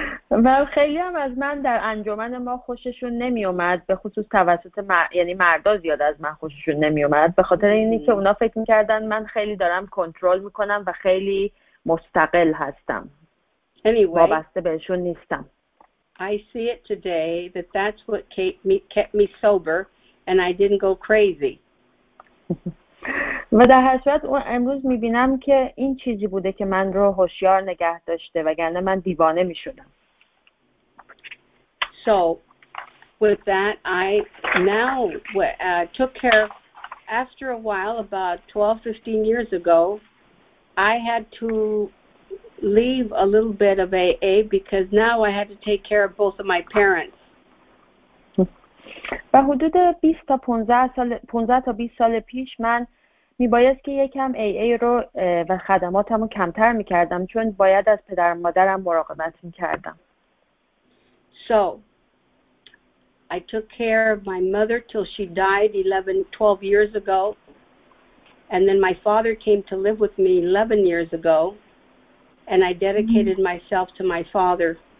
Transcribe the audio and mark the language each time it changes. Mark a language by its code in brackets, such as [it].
[fa] و خیلی هم از من در انجمن ما خوششون نمی اومد، به خصوص توسط یعنی مردا زیاد از من خوششون نمی اومد، به خاطر اینی که اونا فکر میکردن من خیلی دارم کنترل میکنم و خیلی مستقل هستم. [en] Anyway, [fa] وابسته بهشون نیستم. [en] I see it today that that's what kept me sober and I didn't go crazy. [fa] و در هر صورت امروز میبینم که این چیزی بوده که من رو هوشیار نگه داشته، وگرنه من دیوانه میشدم. [en] So with that I now took care of, after a while about 12-15 years ago I had to leave a little bit of AA because now I had to take care of both of my parents. [fa] و حدود 15 تا 20 سال پیش من میبایست که یکم AA رو و خدماتم رو کمتر میکردم چون باید از پدر و مادرم مراقبت میکردم. [en] So I took care of my mother till she died 12 years ago and then my father came to live with me 11 years ago and I dedicated myself to my father.